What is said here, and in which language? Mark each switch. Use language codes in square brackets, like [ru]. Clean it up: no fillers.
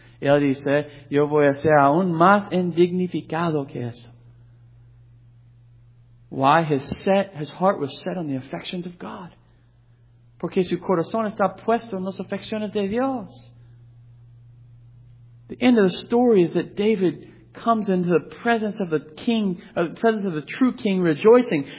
[es] Y él dice, yo voy a ser aún más indignificado que esto. [en] Why? His heart was set on the affections of God. [es] Porque su corazón está puesto en las afecciones de Dios. [en] The end of the story is that David comes into the presence of the king, the presence of the true king, rejoicing.